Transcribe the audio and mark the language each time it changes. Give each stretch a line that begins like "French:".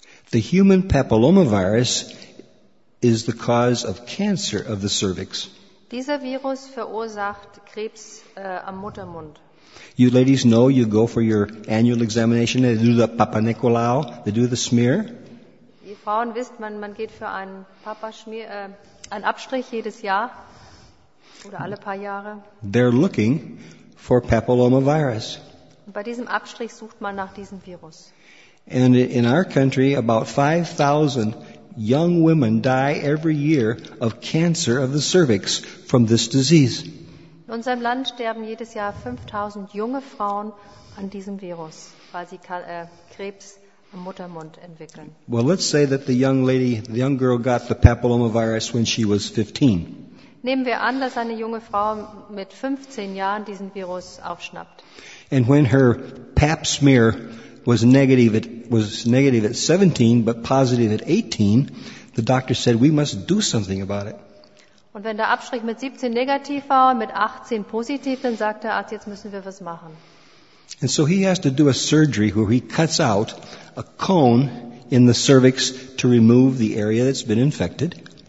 English: The human papillomavirus is the cause of cancer of the cervix.
German: Dieser Virus verursacht Krebs am Muttermund.
English: You ladies know you go for your annual examination, they do the Papanicolaou, they do the smear.
German: Die Frauen wissen, man geht für einen Papaschmier einen Abstrich jedes Jahr oder alle paar Jahre.
English: They're looking for papillomavirus.
German: Bei diesem Abstrich sucht man nach diesem Virus.
English: And in our country, about 5,000 young women die every year of cancer of the cervix from this disease.
German: In unserem Land sterben jedes Jahr 5,000 junge Frauen an diesem Virus, weil sie Krebs am Muttermund entwickeln.
English: Well, let's say that the young girl got the papillomavirus when she was 15.
German: Nehmen wir an, dass eine junge Frau mit 15 Jahren diesen Virus aufschnappt.
English: And when her pap smear was negative at 17 but positive at 18, the doctor said we must do something about it.
German: Und wenn der Abstrich mit 17 negativ war und mit 18 positiv, dann sagt der Arzt, jetzt müssen wir was machen.
English: And so he has to do a surgery where he cuts out a cone in the cervix to remove the area that's been infected.